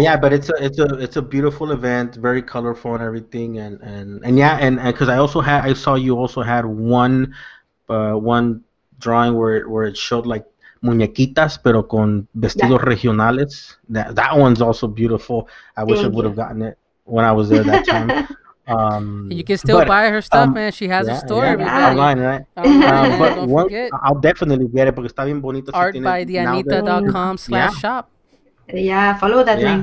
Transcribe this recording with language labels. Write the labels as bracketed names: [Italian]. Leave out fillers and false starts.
[English] Yeah, but it's a beautiful event, very colorful and everything, and because I saw you also had one drawing where it showed like [Spanish] muñequitas, pero con vestidos regionales. [English] That one's also beautiful. I wish I would have gotten it when I was there that time. You can still buy her stuff, man. She has a store. Yeah, yeah. Online, right? Don't forget. I'll definitely get it, [Spanish] porque está bien bonito. [English] Artbytheanita.com/shop. Yeah, follow that link.